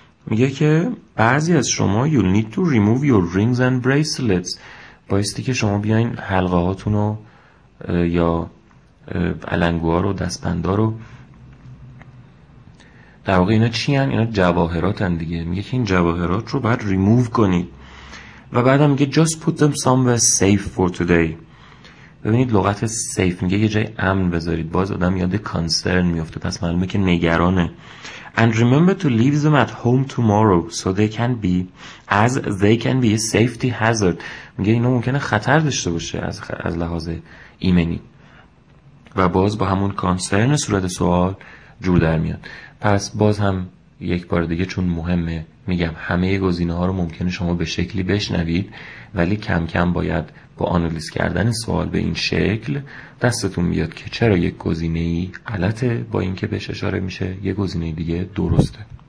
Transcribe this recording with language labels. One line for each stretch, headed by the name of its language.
Persian: میگه که بعضی از شما
English: you need to remove your rings and bracelets،
Persian: بایستی که شما بیاین حلقه هاتونو یا علنگوها رو دستبنده رو، در واقع اینا چی هن؟ اینا جواهرات هن دیگه. میگه که این جواهرات رو باید ریموو کنید. و بعد هم میگه
English: just put them somewhere safe for today.
Persian: ببینید لغت سیف، میگه یه جای امن بذارید، باز آدم یاد concern میفته، پس معلومه که نگرانه.
English: And remember to leave them at home tomorrow so they can be as they can be a safety hazard.
Persian: میگه اینا ممکنه خطر داشته باشه از لحاظ ایمنی، و باز با همون concern صورت سوال جور در میاد. پس باز هم یک بار دیگه، چون مهمه، میگم همه گزینه‌ها رو ممکنه شما به شکلی بشنوید، ولی کم کم باید با آنالیز کردن سوال به این شکل دستتون بیاد که چرا یک گزینه‌ای غلطه با اینکه بهش اشاره میشه یک گزینه دیگه درسته.